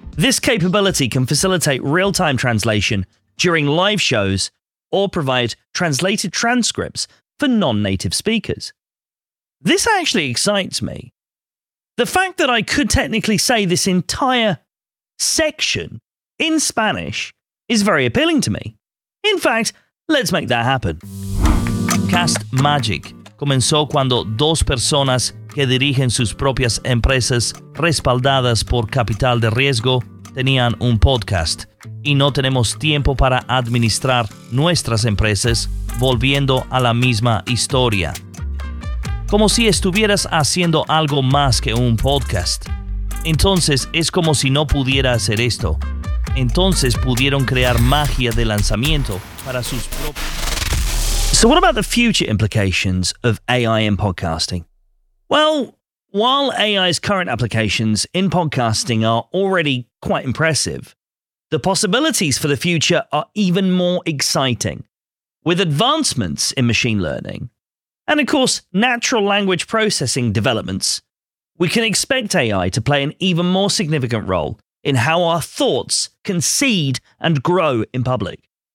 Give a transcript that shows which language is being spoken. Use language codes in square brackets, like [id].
[en] This capability can facilitate real-time translation during live shows or provide translated transcripts for non-native speakers. This actually excites me. The fact that I could technically say this entire section in Spanish is very appealing to me. In fact, let's make that happen. [es] Cast Magic comenzó cuando dos personas que dirigen sus propias empresas respaldadas por capital de riesgo tenían un podcast y no tenemos tiempo para administrar nuestras empresas, volviendo a la misma historia. Como si estuvieras haciendo algo más que un podcast. Entonces es como si no pudiera hacer esto. Entonces pudieron crear magia de lanzamiento para sus propios. [en] So what about the future implications of AI in podcasting? Well, while AI's current applications in podcasting are already quite impressive, the possibilities for the future are even more exciting. With advancements in machine learning, and of course, natural language processing developments, we can expect AI to play an even more significant role in how our thoughts can seed and grow in public.